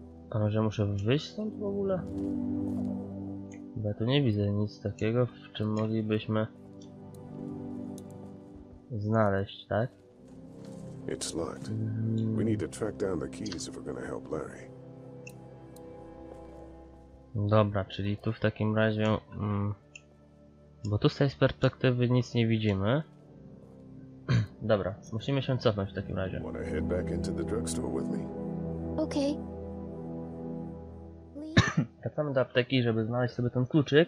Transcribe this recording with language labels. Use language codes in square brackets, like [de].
[pl] A może muszę wyjść stąd w ogóle? Chyba tu nie widzę nic takiego, w czym moglibyśmy znaleźć, tak? [en] It's locked. We need to track down the keys if we're gonna help Larry. [pl] Dobra, czyli tu w takim razie. Bo tu z tej perspektywy nic nie widzimy. Dobra, musimy się cofnąć w takim razie. [en] Wanna head back into the drugstore with me? Okay. [pl] Wracamy do apteki, żeby znaleźć sobie ten kluczyk.